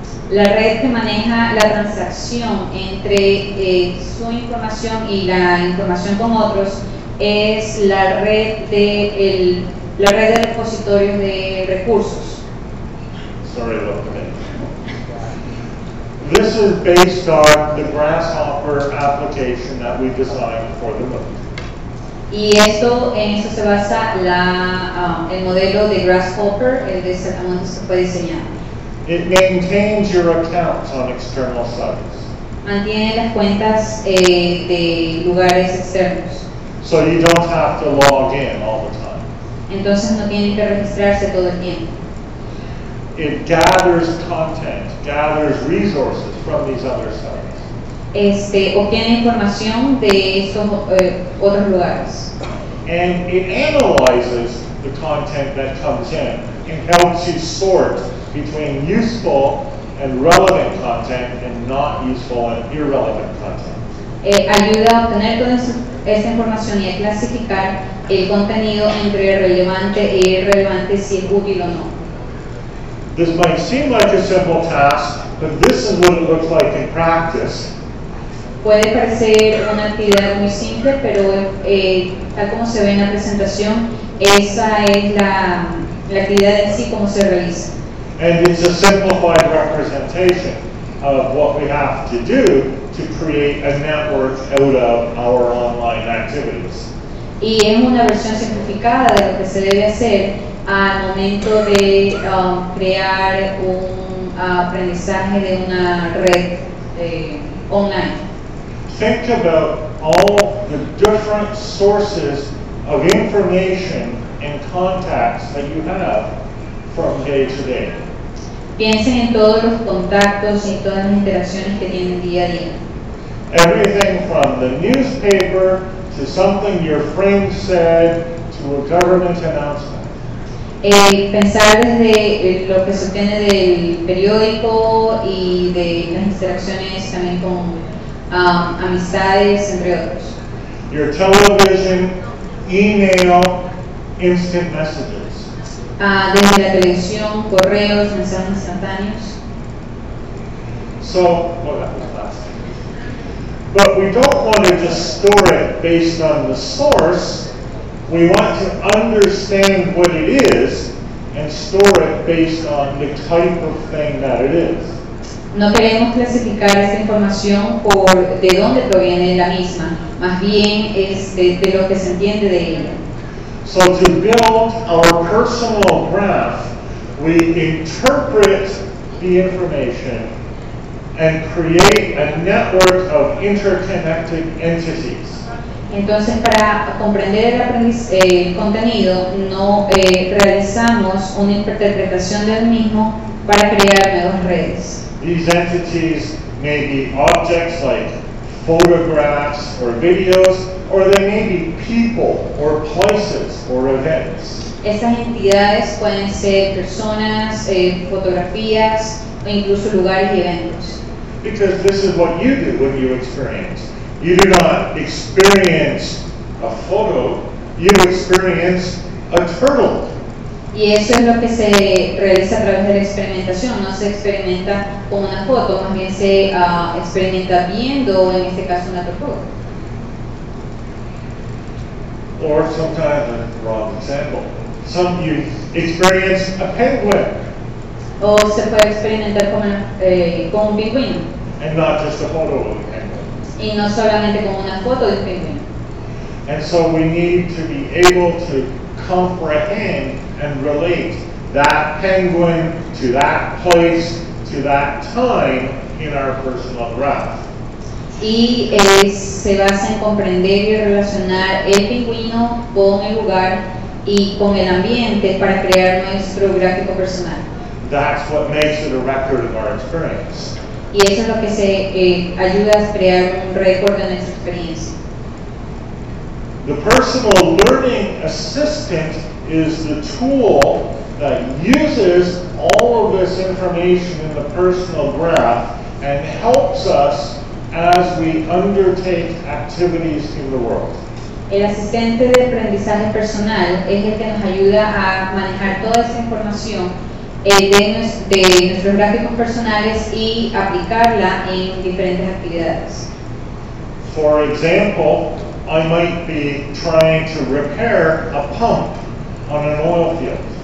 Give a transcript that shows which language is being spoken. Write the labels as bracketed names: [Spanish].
[Spanish] La red que maneja la transacción entre su información y la información con otros es la red de la red de repositorios de recursos. [English] Sorry about that. This is based on the Grasshopper application that we designed for the MOOC. [Spanish] Y esto, en eso se basa el modelo de Grasshopper, el de Sacramento que fue diseñado. [English] It maintains your accounts on external sites. [Spanish] Mantiene las cuentas de lugares externos. [English] So you don't have to log in all the time. [Spanish] Entonces no tiene que registrarse todo el tiempo. [English] It gathers content, gathers resources from these other sites. [Spanish] Obtiene información de estos otros lugares. [English] And it analyzes the content that comes in and helps you sort between useful and relevant content and not useful and irrelevant content. [Spanish] Ayuda a obtener toda esa información y a clasificar el contenido entre relevante e irrelevante, si es útil o no. [English] This might seem like a simple task, but this is what it looks like in practice. [Spanish] Puede parecer una actividad muy simple, pero tal como se ve en la presentación, esa es la actividad en sí como se realiza. [English] And it's a simplified representation of what we have to do to create a network out of our online activities. [Spanish] Y es una versión simplificada de lo que se debe hacer al momento de crear un aprendizaje de una red online. [English] Think about all the different sources of information and contacts that you have from day to day. [Spanish] Piensen en todos los contactos y todas las interacciones que tienen día a día. [English] Everything from the newspaper to something your friend said to a government announcement. [Spanish] Pensar desde lo que se obtiene del periódico y de las interacciones también con amistades, entre otros. [English] Your television, email, instant messages. [Spanish] Desde la televisión, correos, mensajes instantáneos. [English] So, what happened last? But we don't want to just store it based on the source. We want to understand what it is and store it based on the type of thing that it is. [Spanish] No queremos clasificar esta información por de dónde proviene la misma, más bien es de lo que se entiende de ella. [English] So to build our personal graph, we interpret the information and create a network of interconnected entities. [Spanish] Entonces, para comprender el contenido, no realizamos una interpretación del mismo para crear nuevas redes. [English] These entities may be objects like photographs or videos, or they may be people or places or events. [Spanish] Estas entidades pueden ser personas, fotografías, o incluso lugares y eventos. [English] Because this is what you do when you experience. You do not experience a photo, you experience a turtle. [Spanish] Y eso es lo que se realiza a través de la experimentación. No se experimenta con una foto, más bien se experimenta viendo, en este caso, una tortuga. [English] Or sometimes, a wrong example, some you experience a penguin. [Spanish] O se puede experimentar con un pingüino. [English] And not just a photo of a penguin. [Spanish] Y no solamente con una foto del pingüino. [English] And so we need to be able to comprehend and relate that penguin to that place, to that time in our personal graph. [Spanish] Y se basa en comprender y relacionar el pingüino con el lugar y con el ambiente para crear nuestro gráfico personal. [English] That's what makes it a record of our experience. [Spanish] Y eso es lo que se ayuda a crear un récord de nuestra experiencia. [English] The personal learning assistant is the tool that uses all of this information in the personal graph and helps us as we undertake activities in the world. [Spanish] El asistente de aprendizaje personal es el que nos ayuda a manejar toda esa información de nuestros gráficos personales y aplicarla en diferentes actividades. [English] For example, I might be trying to repair a pump on an oil field.